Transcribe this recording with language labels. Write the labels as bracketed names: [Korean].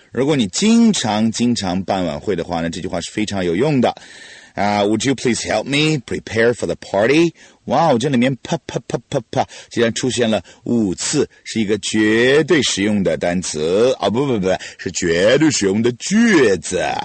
[Chinese] 如果你经常办晚会的话呢，这句话是非常有用的。 [English] Would you please help me prepare for the party? [Chinese] Wow, 这里面啪啪啪啪啪竟然出现了五次，是一个绝对实用的单词。哦，不不不，是绝对实用的句子。